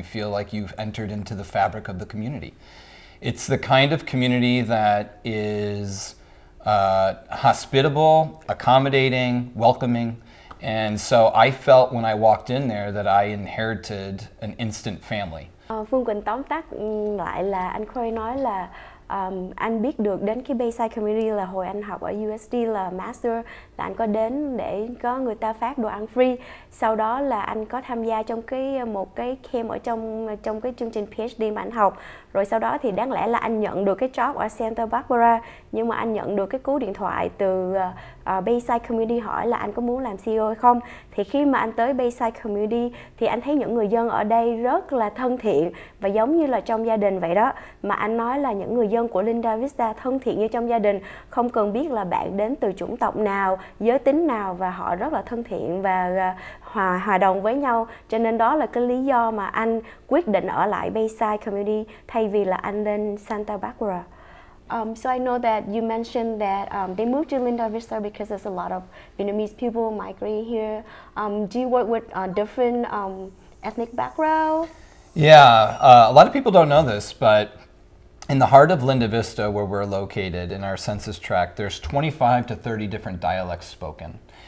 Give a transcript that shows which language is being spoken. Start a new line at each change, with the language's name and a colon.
English: You feel like you've entered into the fabric of the community. It's the kind of community that is hospitable, accommodating, welcoming. And so I felt when I walked in there that I inherited an instant family.
Vietnamese: Phương Quỳnh tóm tắt lại là anh Corey nói là anh biết được đến cái Bayside Community là hồi anh học ở USD là Master, là anh có đến để có người ta phát đồ ăn free. Sau đó là anh có tham gia trong một cái camp ở trong cái chương trình PhD mà anh học. Rồi sau đó thì đáng lẽ là anh nhận được cái job ở Santa Barbara, nhưng mà anh nhận được cái cú điện thoại từ Bayside Community hỏi là anh có muốn làm CEO hay không. Thì khi mà anh tới Bayside Community thì anh thấy những người dân ở đây rất là thân thiện và giống như là trong gia đình vậy đó. Mà anh nói là những người dân của Linda Vista thân thiện như trong gia đình, không cần biết là bạn đến từ chủng tộc nào, giới tính nào, và họ rất là thân thiện và hòa đồng với nhau. Cho nên đó là cái lý do mà anh quyết định ở lại Bayside Community thay vì là anh lên Santa Barbara.
English: So I know that you mentioned that they moved to Linda Vista because there's a lot of Vietnamese people migrate here. Do you work with different ethnic background? Yeah, a lot of people don't know this, but in the heart of Linda Vista, where we're located in our census tract, there's 25 to 30 different dialects spoken.